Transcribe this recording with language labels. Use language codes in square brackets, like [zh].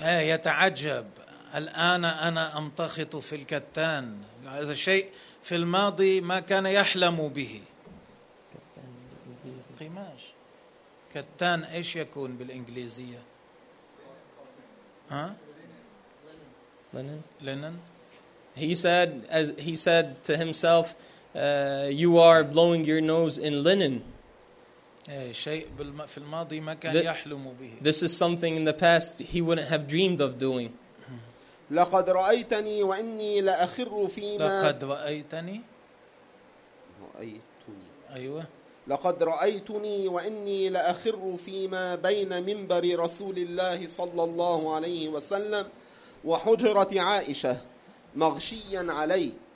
[ar] يتعجب الآن أنا أمتخط في الكتان. هذا شيء في الماضي ما كان يحلم به. قماش كتان إيش يكون بالإنجليزية؟ ها؟ [en] Linen. He said to himself, "You are blowing your nose in linen." [ar] شيء في الماضي ما كان يحلم به. [en] This is something in the past he wouldn't have dreamed of doing. [ar] لقد رأيتني وإني لأخر فيما. لقد رأيتني. رأيتني. أيوة. لقد رأيتني وإني لأخر فيما بين منبر رسول الله صلى الله عليه وسلم وحجرة عائشة مغشيا علي.